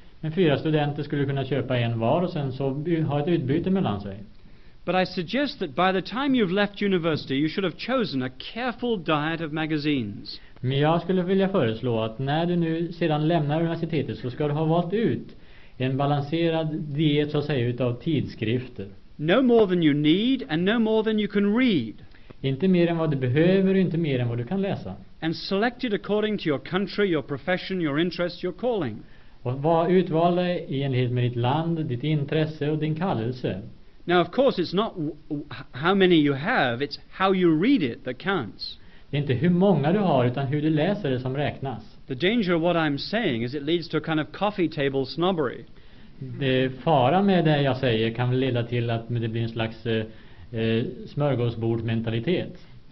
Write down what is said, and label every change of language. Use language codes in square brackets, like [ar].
[sv] Men fyra studenter skulle kunna köpa en var och sen så ha ett utbyte mellan sig. [en] But I suggest that by the time you've left university you should have chosen a careful diet of magazines. [sv] Men jag skulle vilja föreslå att när du nu sedan lämnar universitetet så ska du ha valt ut en balanserad diet så att säga utav tidskrifter. [en] No more than you need and no more than you can read. [sv] Inte mer än vad du behöver, inte mer än vad du kan läsa. [en] And selected according to your country, your profession, your interest, your calling. [sv] Och var utvald i enlighet med ditt land, ditt intresse och din kallelse. [en] Now of course it's not how many you have, it's how you read it that counts. [sv] Det är inte hur många du har utan hur du läser det som räknas. [en] The danger of what I'm saying is it leads to a kind of coffee table snobbery. [sv] Det fara med det jag säger kan leda till att det blir en slags smörgåsbordsmentalitet.